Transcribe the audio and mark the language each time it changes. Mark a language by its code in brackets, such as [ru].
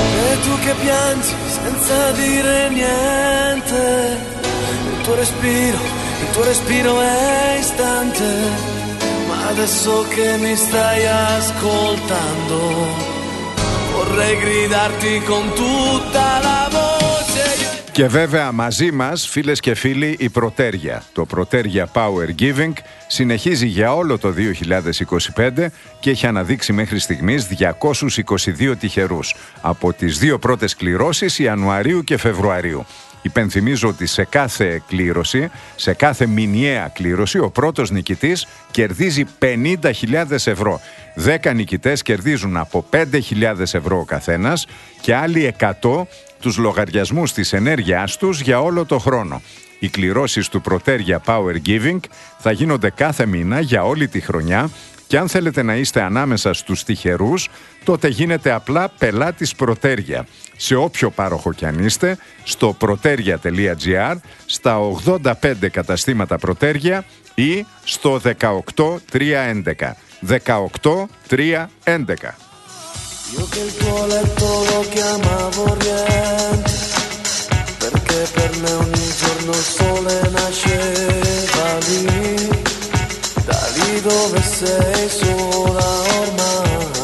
[it] E tu che piangi senza dire niente, il tuo respiro è istante, ma adesso che mi stai ascoltando, vorrei gridarti con tutta la voce. [el] Και βέβαια μαζί μας, φίλες και φίλοι, η Προτέρια. Το Προτέρια Power Giving συνεχίζει για όλο το 2025 και έχει αναδείξει μέχρι στιγμής 222 τυχερούς από τις δύο πρώτες κληρώσεις Ιανουαρίου και Φεβρουαρίου. Υπενθυμίζω ότι σε κάθε κλήρωση, σε κάθε μηνιαία κλήρωση, ο πρώτος νικητής κερδίζει 50.000 ευρώ. 10 νικητές κερδίζουν από 5.000 ευρώ ο καθένας και άλλοι 100 τους λογαριασμούς της ενέργειάς τους για όλο το χρόνο. Οι κληρώσεις του Προτέρια Power Giving θα γίνονται κάθε μήνα για όλη τη χρονιά και αν θέλετε να είστε ανάμεσα στους τυχερούς, τότε γίνετε απλά πελάτης Προτέρια. Σε όποιο πάροχο κι αν είστε, στο proterια.gr, στα 85 καταστήματα Προτέρια ή στο 18311. 18311. [it] Io che il tuo letto lo chiamavo niente, perché per me ogni giorno il sole nasceva lì, da lì dove sei sola ormai.